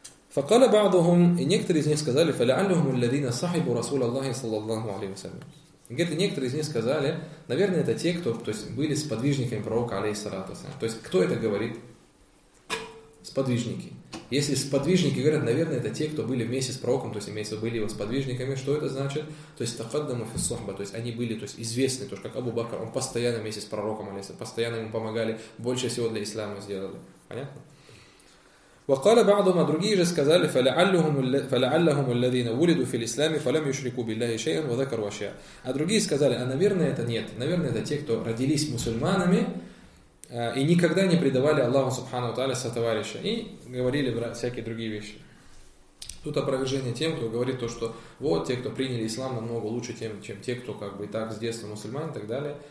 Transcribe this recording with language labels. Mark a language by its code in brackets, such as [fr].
[ar] فقال بعضهم, [ru] и некоторые из них сказали, [ar] فلعلهم الذين صحبوا رسول الله صلى الله عليه وسلم, [ru] где-то некоторые из них сказали, наверное, это те, кто, то есть были сподвижниками пророка алейхиссалям. То есть кто это говорит? Сподвижники. Если сподвижники говорят, наверное, это те, кто были вместе с пророком, то есть имеется были его сподвижниками, что это значит? То есть [ar] тахаддаму фи сохба, [ru] то есть они были, то есть известны, то есть как Абу Бакр, он постоянно вместе с пророком, постоянно ему помогали, больше всего для ислама сделали. Понятно? [ar] وقال بعضهم, [ru] другие же сказали, [ar] فلعلهم الذين ولدوا في الإسلام فلم يشركوا بالله شيئا وذكروا أشياء. [ru] А другие сказали, а наверное это нет, наверное это те, кто родились мусульманами, и никогда не предавали Аллаху Субхану ва Тааля сотоварища. И говорили всякие другие вещи. Тут опровержение тем, кто говорит то, что вот те, кто приняли ислам, намного лучше, чем те, кто как бы так с детства мусульман и так далее.